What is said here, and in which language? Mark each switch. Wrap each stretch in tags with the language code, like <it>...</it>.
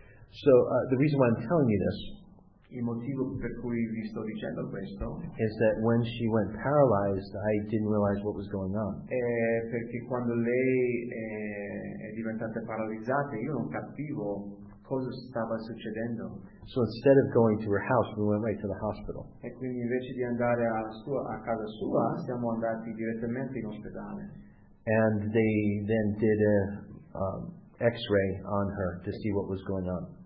<en>So the reason why I'm telling you this.</en> <it>Il motivo per cui vi sto dicendo questo</it> <en>is that when she went paralyzed, I didn't realize what was going on.</en> <it>Perché quando lei è diventata paralizzata, io non capivo cosa stava succedendo.</it> <en>So instead of going to her house, we went right to the hospital.</en> <it>E quindi invece di andare a casa sua, siamo andati direttamente in ospedale.</it> <en>And they then did an X-ray on her to see what was going on.</en>